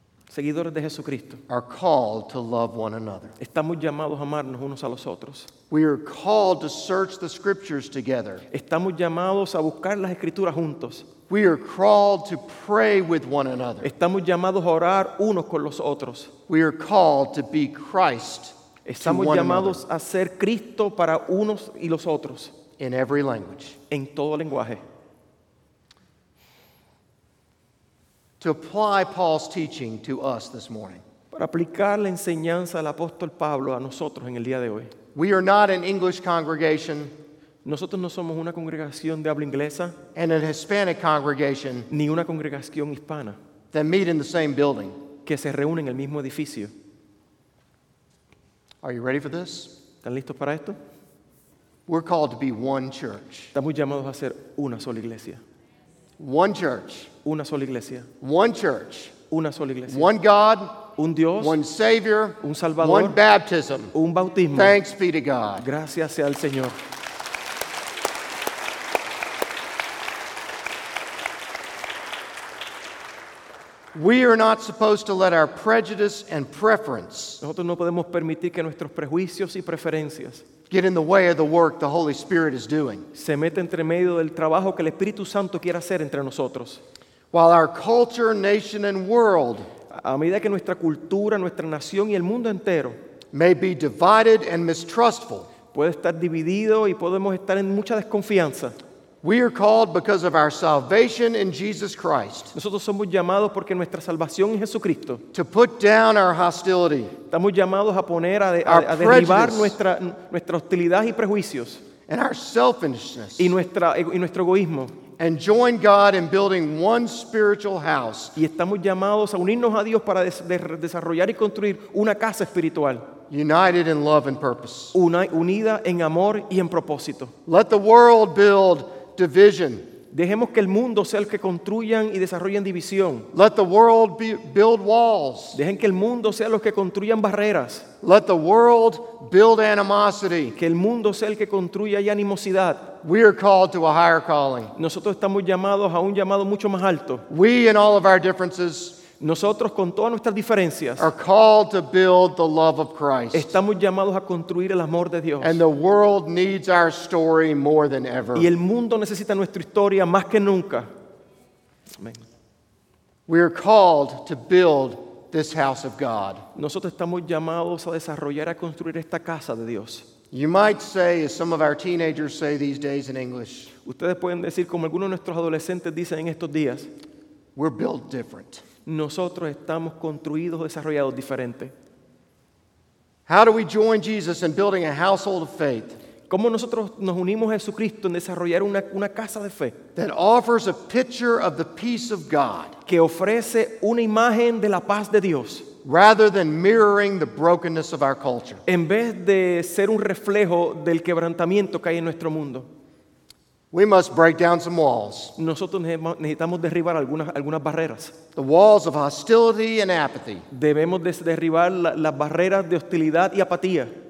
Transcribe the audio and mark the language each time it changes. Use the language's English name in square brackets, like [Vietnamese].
[Spanish] seguidores de Jesucristo, [English] are called to love one another. [Spanish] Estamos llamados a amarnos unos a los otros. [English] We are called to search the scriptures together. [Spanish] Estamos llamados a buscar las escrituras juntos. [English] We are called to pray with one another. [Spanish] Estamos llamados a orar unos con los otros. [English] We are called to be Christ. [Spanish] Estamos llamados a ser Cristo para unos y los otros. [English] In every language. [Spanish] En todo lenguaje. [English] To apply Paul's teaching to us this morning. [Spanish] Para aplicar la enseñanza del apóstol Pablo a nosotros en el día de hoy. [English] We are not an English congregation. [Spanish] Nosotros no somos una congregación de habla inglesa. [English] And an Hispanic congregation. [Spanish] Ni una congregación hispana. [English] That meet in the same building. [Spanish] Que se reúne en el mismo edificio. [English] Are you ready for this? [Spanish] ¿Están listos para esto? [English] We're called to be one church. [Spanish] Estamos llamados a ser una sola iglesia. [English] One church. [Spanish] Una sola iglesia. [English] One church. [Spanish] Una sola iglesia. [English] One God. [Spanish] Un Dios. [English] One Savior. [Spanish] Un Salvador. [English] One baptism. [Spanish] Un bautismo. [English] Thanks be to God. [Spanish] Gracias sea al Señor. [English] We are not supposed to let our prejudice and preference. [Spanish] Nosotros no podemos permitir que nuestros prejuicios y preferencias [English] get in the way of the work the Holy Spirit is doing. [Spanish] Se mete entre medio del trabajo que el Espíritu Santo quiere hacer entre nosotros. [English] While our culture, nation, and world, [Spanish] a medida que nuestra cultura, nuestra nación y el mundo entero, [English] may be divided and mistrustful, [Spanish] puede estar dividido y podemos estar en mucha desconfianza. [English] We are called because of our salvation in Jesus Christ. [Spanish] Nosotros somos llamados porque nuestra salvación en Jesucristo. [English] To put down our hostility. [Spanish] Estamos llamados a poner a derribar nuestra hostilidad y prejuicios. [English] And our selfishness. [Spanish] Y nuestro egoísmo. [English] And join God in building one spiritual house. [Spanish] Y estamos llamados a unirnos a Dios para desarrollar y construir una casa espiritual. [English] United in love and purpose. [Spanish] Unida en amor y en propósito. [English] Let the world build division. [Spanish] Dejemos que el mundo sea el que construyan y desarrollen división. [English] Let the world build walls. [Spanish] Dejen que el mundo sea los que construyan barreras. [English] Let the world build animosity. [Spanish] Que el mundo sea el que construya animosidad. [English] We are called to a higher calling. [Spanish] Nosotros estamos llamados a un llamado mucho más alto. [English] We and all of our differences. [Spanish] Nosotros con todas nuestras diferencias. [English] Are called to build the love of Christ. [Spanish] Estamos llamados a construir el amor de Dios. [English] And the world needs our story more than ever. [Spanish] Y el mundo necesita nuestra historia más que nunca. [English] Amen. We are called to build this house of God. [Spanish] Nosotros estamos llamados a desarrollar a construir esta casa de Dios. [English] You might say, as some of our teenagers say these days in English. [Spanish] Ustedes pueden decir como algunos de nuestros adolescentes dicen en estos días. [English] We're built different. [Spanish] Nosotros estamos construidos, desarrollados diferente. [English] How do we join Jesus in building a household of faith? [Spanish] ¿Cómo nosotros nos unimos a Jesucristo en desarrollar una casa de fe? [English] That offers a picture of the peace of God. [Spanish] Que ofrece una imagen de la paz de Dios. [English] Rather than mirroring the brokenness of our culture. [Spanish] En vez de ser un reflejo del quebrantamiento que hay en nuestro mundo. [English] We must break down some walls. [Spanish] Nosotros necesitamos derribar algunas barreras. [English] The walls of hostility and apathy. [Spanish] Debemos derribar las barreras de hostilidad y apatía.